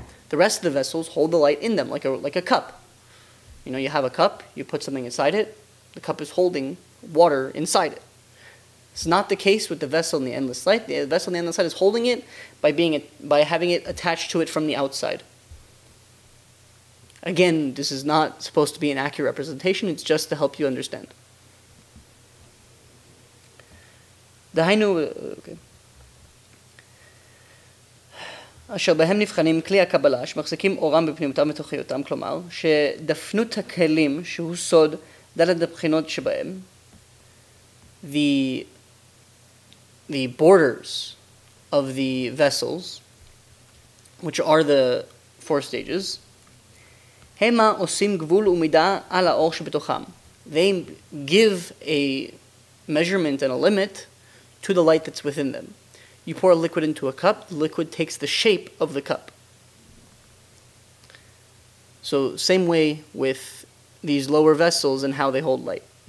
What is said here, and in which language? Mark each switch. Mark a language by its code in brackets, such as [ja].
[en] The rest of the vessels hold the light in them, like a cup. You know, you have a cup, you put something inside it, the cup is holding water inside it. It's not the case with the vessel in the endless light. The vessel in the endless light is holding it by having it attached to it from the outside. Again, this is not supposed to be an accurate representation, it's just to help you understand. [he] דהיינו, אשר בהם נבחנים כלי הקבלה שמחזיקים אורם בפנימותם ותוכיותם, כלומר, שדפנות הכלים שהוא סוד דלת הבחינות שבהם, [en] the borders of the vessels, which are the four stages, [he] הם עושים גבול ומידה על האור שבתוכם. [en] They give a measurement and a limit to the light that's within them. You pour a liquid into a cup, the liquid takes the shape of the cup. So same way with these lower vessels and how they hold light.